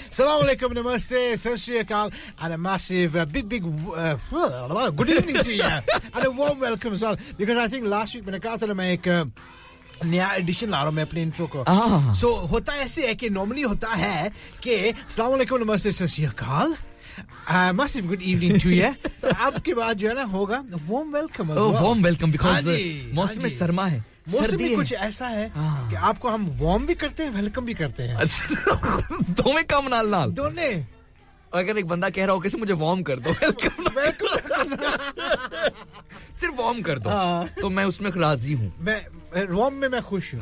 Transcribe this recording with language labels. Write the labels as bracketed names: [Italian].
[English] Assalamu alaikum, namaste, sashriyakal, and a massive, big good evening to you. And a warm welcome as well, because I think last week when I got to America, नया edition ला रहा हूं मैं अपने intro को so होता ऐसे है कि नॉर्मली होता है कि अस्सलाम वालेकुम नमस्ते सत श्री अकाल Massive good evening to you. [Hindi] आपके बाद जो है ना होगा warm welcome. [English] Oh, warm welcome because [Hindi] मौसम में सरमा है. मौसम भी कुछ ऐसा है कि आपको हम warm भी करते हैं, welcome भी करते हैं. दो में काम नाल नाल. दोने. अगर एक बंदा कह रहा हो कि मुझे वार्म कर दो, [English] welcome [Hindi] सिर्फ वार्म कर दो, तो मैं उसमें राजी हूँ. मैं वार्म में मैं खुश हूँ.